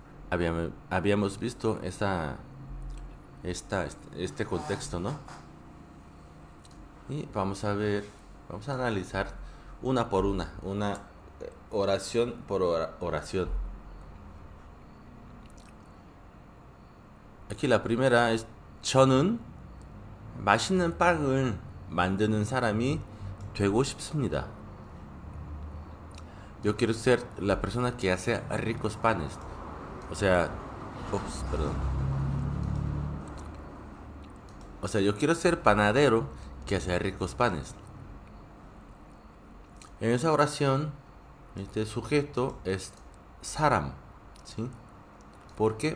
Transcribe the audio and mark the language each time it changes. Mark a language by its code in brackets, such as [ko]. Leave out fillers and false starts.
[es] Habíamos visto este contexto, ¿no? Y vamos a ver, vamos a analizar una por una oración por oración. Aquí la primera es [ko] 저는 맛있는 빵을 만드는 사람이 되고 싶습니다. [es] Yo quiero ser la persona que hace ricos panes. O sea, ups, perdón. O sea, yo quiero ser panadero que hace ricos panes. En esa oración, este sujeto es Saram, ¿sí? ¿Por qué?